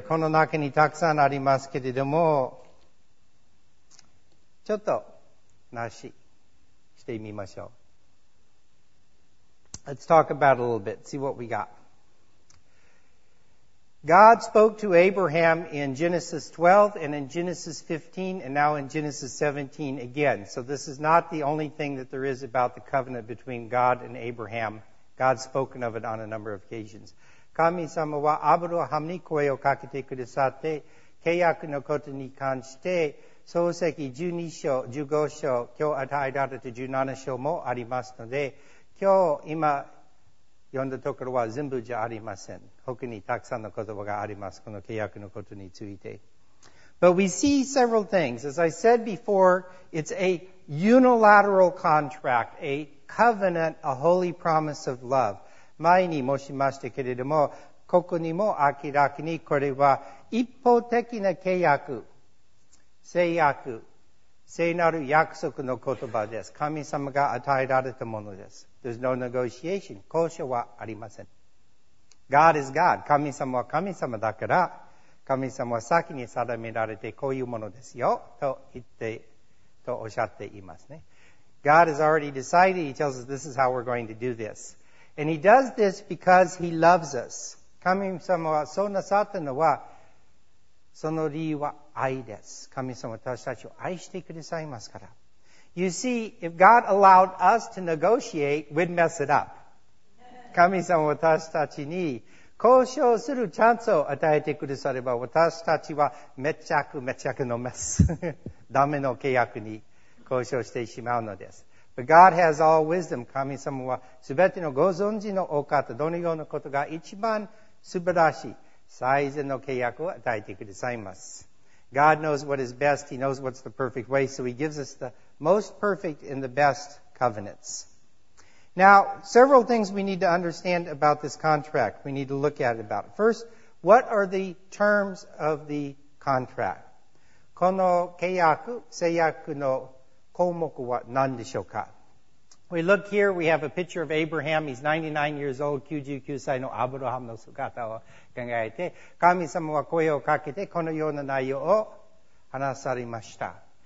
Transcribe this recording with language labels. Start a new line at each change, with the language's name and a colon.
Japanese: この中にたくさんありますけれども、ちょっとなししてみましょう。
English: Let's talk about it a little bit. See what we got. God spoke to Abraham in Genesis 12 and in Genesis 15 and now in Genesis 17 again. So this is not the only thing that there is about the covenant between God and Abraham. God's spoken of it on a number of occasions.
Japanese: 神様はアブラハムに声をかけてくださって、契約のことに関して、創世記12章、15章、今日与えられた17章もありますので、今日今、読んだところは全部じゃありません。他にたくさんの言葉があります。この契約のことについて。
English: But we see several things. As I said before, it's a unilateral contract, a covenant, a holy promise of love.
Japanese: 前に申しましたけれども、ここにも明らかにこれは一方的な契約、制約、聖なる約束の言葉です。神様が与えられたものです。
English: There's no negotiation.
Japanese: 交渉はありません。
English: God is God.
Japanese: 神様は神様だから、神様は先に定められてこういうものですよ、と言って、とおっしゃっていますね。
English: God has already decided. He tells us this is how we're going to do this. And he does this because he loves us.
Japanese: 神様はそうなさったのは、その理由は愛です。神様は私たちを愛してくださいますから。
English: You see, if God allowed us to negotiate, we'd mess it up.
Japanese: 神様は私たちに交渉するチャンスを与えてくだされば、私たちはめちゃくめちゃくのメス。ダメの契約に交渉してしまうのです。
English: But God has all wisdom.
Japanese: 神様は全てのご存知のお方、どのようなことが一番素晴らしい、最善の契約を与えてくださいます。
English: God knows what is best. He knows what's the perfect way. So he gives us the most perfect and the best covenants. Now, several things we need to understand about this contract. We need to look at it about it. First, what are the terms of the contract?
Japanese: この契約、契約の項目は何でしょうか?
English: We look here, we have a picture of Abraham. He's 99 years old.
Japanese: 99歳のアブラハムの姿を考えて、神様は声をかけてこのような内容を話されました。